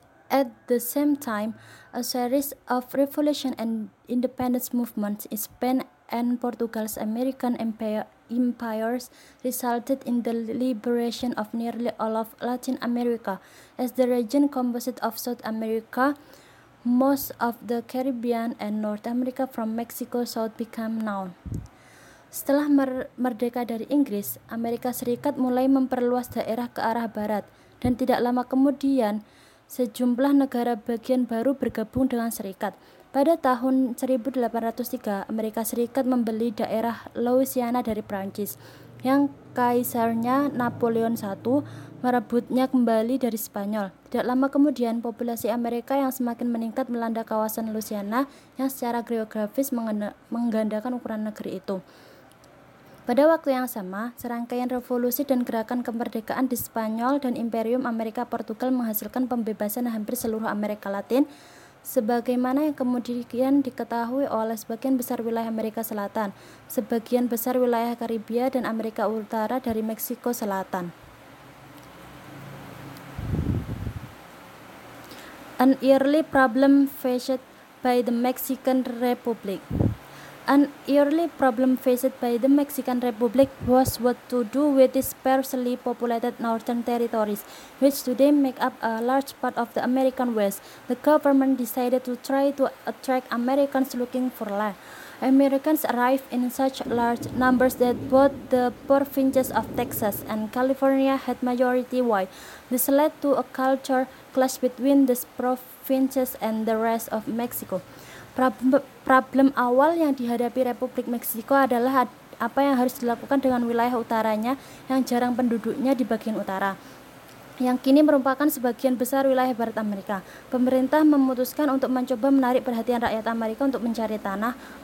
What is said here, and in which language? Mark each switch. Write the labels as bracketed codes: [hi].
[en] At the same time, a series of revolution and independence movements in Spain and Portugal's American empires resulted in the liberation of nearly all of Latin America. As the region composite of South America, most of the Caribbean and North America from Mexico South became known. [id] Setelah merdeka dari Inggris, Amerika Serikat mulai memperluas daerah ke arah barat, dan tidak lama kemudian, sejumlah negara bagian baru bergabung dengan Serikat. Pada tahun 1803, Amerika Serikat membeli daerah Louisiana dari Prancis, yang kaisarnya Napoleon I merebutnya kembali dari Spanyol. Tidak lama kemudian, populasi Amerika yang semakin meningkat melanda kawasan Louisiana yang secara geografis menggandakan ukuran negeri itu. Pada waktu yang sama, serangkaian revolusi dan gerakan kemerdekaan di Spanyol dan Imperium Amerika Portugal menghasilkan pembebasan hampir seluruh Amerika Latin, sebagaimana yang kemudian diketahui oleh sebagian besar wilayah Amerika Selatan, sebagian besar wilayah Karibia dan Amerika Utara dari Meksiko Selatan. [en] An early problem faced by the Mexican Republic. An early problem faced by the Mexican Republic was what to do with its sparsely populated northern territories, which today make up a large part of the American West. The government decided to try to attract Americans looking for land. Americans arrived in such large numbers that both the provinces of Texas and California had majority white. This led to a culture clash between the provinces and the rest of Mexico. [id] Problem awal yang dihadapi Republik Meksiko adalah apa yang harus dilakukan dengan wilayah utaranya yang jarang penduduknya di bagian utara, yang kini merupakan sebagian besar wilayah barat Amerika. Pemerintah memutuskan untuk mencoba menarik perhatian rakyat Amerika untuk mencari tanah.